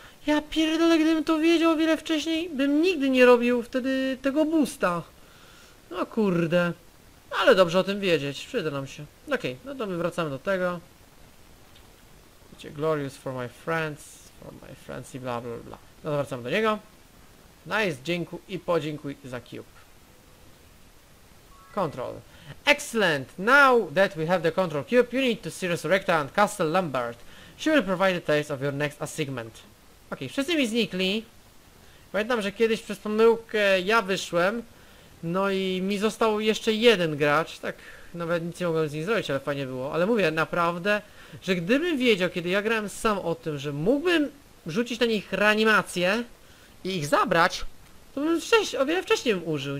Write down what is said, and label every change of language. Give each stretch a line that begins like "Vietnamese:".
Polish: Ja pierdolę, gdybym to wiedział o wiele wcześniej, bym nigdy nie robił wtedy tego boosta. No kurde. Ale dobrze o tym wiedzieć, przyda nam się. Okej, no to my wracamy do tego. Widzicie,
English: glorious for my friends
Polish: i bla bla bla. No to wracamy do niego. Nice, dziękuję i podziękuj za cube.
English: Control. Excellent! Now that we have the control cube, you need to see Resurrecta and Castle Lambert. She will provide the details of your next assignment.
Polish: Okej, wszyscy mi znikli. Pamiętam, że kiedyś przez pomyłkę ja wyszłem. No i mi został jeszcze jeden gracz. Tak, nawet nic nie mogłem z nim zrobić, ale fajnie było. Ale mówię naprawdę, że gdybym wiedział, kiedy ja grałem sam o tym, że mógłbym rzucić na nich reanimację i ich zabrać, to bym o wiele wcześniej bym użył.